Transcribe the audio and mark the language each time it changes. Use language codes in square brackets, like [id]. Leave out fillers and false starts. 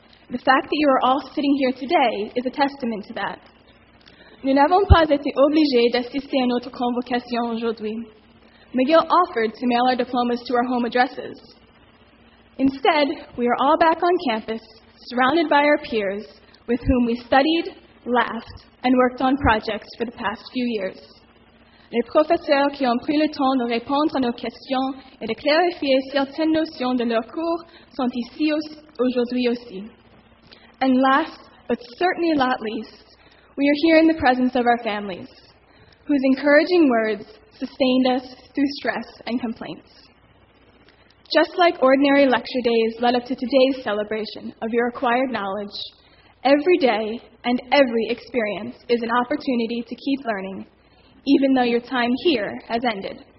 [en] The fact that you are all sitting here today is a testament to that. [fr] Nous n'avons pas été obligés d'assister à notre convocation aujourd'hui. [en] McGill offered to mail our diplomas to our home addresses. Instead, we are all back on campus, surrounded by our peers, with whom we studied, laughed, and worked on projects for the past few years. [fr] Les professeurs qui ont pris le temps de répondre à nos questions et de clarifier certaines notions de leurs cours sont ici aujourd'hui aussi. [en] And last, but certainly not least, we are here in the presence of our families, whose encouraging words sustained us through stress and complaints. Just like ordinary lecture days led up to today's celebration of your acquired knowledge, every day and every experience is an opportunity to keep learning, even though your time here has ended.